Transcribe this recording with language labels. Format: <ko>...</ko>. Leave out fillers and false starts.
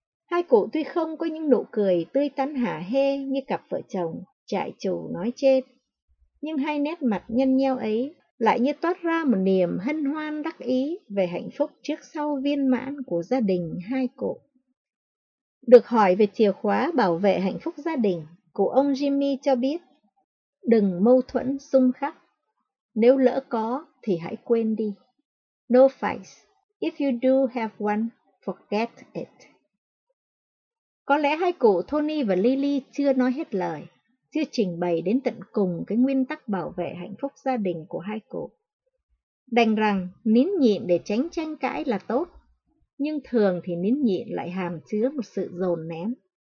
<vi>Hai cụ tuy không có những nụ cười tươi tắn hả hê như cặp vợ chồng trại chủ nói trên, nhưng hai nét mặt nhăn nheo ấy lại như toát ra một niềm hân hoan đắc ý về hạnh phúc trước sau viên mãn của gia đình hai cụ. Được hỏi về chìa khóa bảo vệ hạnh phúc gia đình, cụ ông Jimmy cho biết: đừng mâu thuẫn xung khắc. Nếu lỡ có thì hãy quên đi.</vi> <en>No fights. If you do have one, forget it.</en> <vi>Có lẽ hai cụ Tony và Lily chưa nói hết lời, chưa trình bày đến tận cùng cái nguyên tắc bảo vệ hạnh phúc gia đình của hai cụ. Đành rằng nín nhịn để tránh tranh cãi là tốt, nhưng thường thì nín nhịn lại hàm chứa một sự dồn nén.</vi>